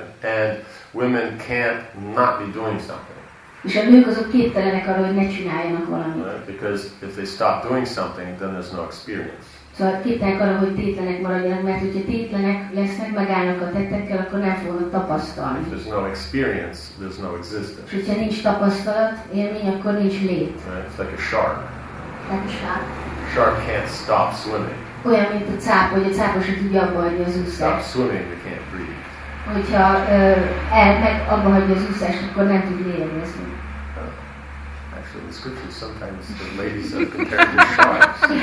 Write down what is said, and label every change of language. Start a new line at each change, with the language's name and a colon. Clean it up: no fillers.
English: And women can't not be doing something.
Hungarian: És a nők azok képtelenek arra, hogy ne csináljanak valamit.
English: Right? Because if they stop doing something, then there's no experience.
Hungarian: Szóval képtelenek arra, hogy tétlenek maradjanak, mert hogyha tétlenek lesznek, megállnak a tettekkel, akkor nem fognak tapasztalni.
English: If there's no experience, there's no existence.
Hungarian: És hogyha nincs tapasztalat, élmény, akkor nincs lét.
English: Right? It's like a shark. Like a shark. Shark can't stop swimming.
Hungarian: Olyan, mint a cápa, hogy a cápa sem tudja abba hagyni az úszást.
English: Stop swimming, they can't breathe.
Hungarian: Hogyha meg abba hagyja az úszást, akkor nem tud lélegezni.
English: In the scriptures, sometimes the ladies are compared to sharks.